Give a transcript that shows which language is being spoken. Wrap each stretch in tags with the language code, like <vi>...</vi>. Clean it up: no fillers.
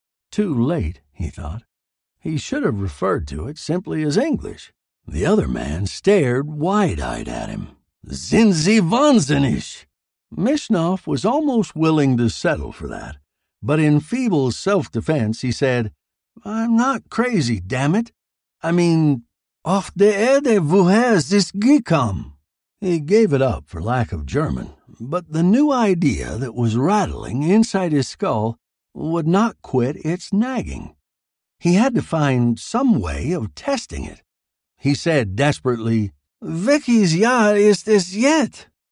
<en>Too late, he thought. He should have referred to it simply as English. The other man stared wide-eyed at him.</en> <de>"Sind Sie wahnsinnig?"</de> <en>Mishnoff was almost willing to settle for that, but in feeble self-defense, he said, "I'm not crazy, damn it. I mean,</en> <de>auf der Erde woher ist gekommen?"</de> <en>He gave it up for lack of German, but the new idea that was rattling inside his skull would not quit its nagging. He had to find some way of testing it. He said desperately,</en> <de>"Welches Jahr ist es</de> <en>yet?"</en>